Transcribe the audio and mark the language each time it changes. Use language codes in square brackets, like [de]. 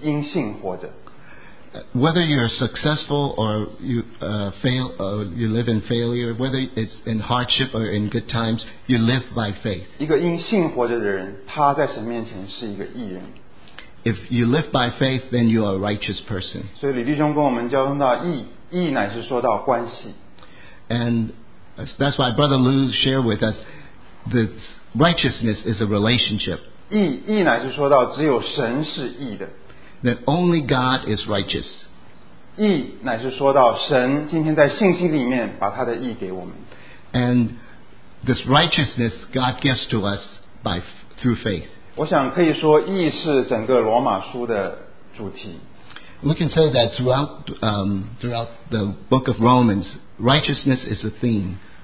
[zh] 不管我们活的是成功或者失败，不管我们活着顺利或者我们活着艰难，总要记得说，一人必因信活着。 [en] Whether you're successful or you fail or you live in failure, whether it's in hardship or in good times, you live by faith. [zh] 一个因信活着的人，他在神面前是一个义人。 [en] If you live by faith, then you are a righteous person. [zh] 所以李弟兄跟我们交通到义，义乃是说到关系。 [en] And that's why Brother Lou shared with us that righteousness is a relationship. [zh] 义乃是说到只有神是义的。 [en] That only God is righteous. [zh] 义乃是说到神今天在信心里面把他的义给我们。 [en] And this righteousness God gives to us by through faith. [zh] 我想可以说义是整个罗马书的主题。 [en] We can say that throughout the book of Romans, righteousness is a theme.